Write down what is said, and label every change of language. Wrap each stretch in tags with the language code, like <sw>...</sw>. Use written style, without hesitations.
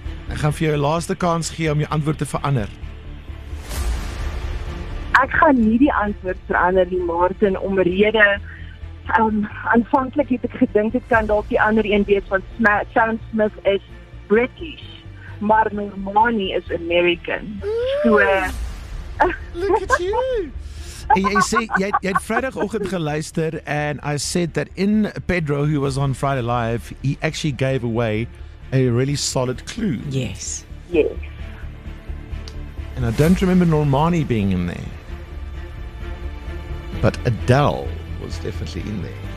<af>Ek gaan vir jou laaste kans gee om jou antwoord te verander. Ek gaan nie die antwoord verander nie, Martin, om rede... aanvanklik het ek gedink dit kan dalk die ander een wees van Sam Smith</af> <en>is British,</en> <af>maar Normani</af> <en>is American.</en> <af>So,</af> <en>look at you.</en> <af>jy het Vrydagoggend geluister</af> <en>and I said that in Pedro, who was on Friday Live, he actually gave away a really solid clue. Yes. And I don't remember Normani being in there, but Adele was definitely in there.</en>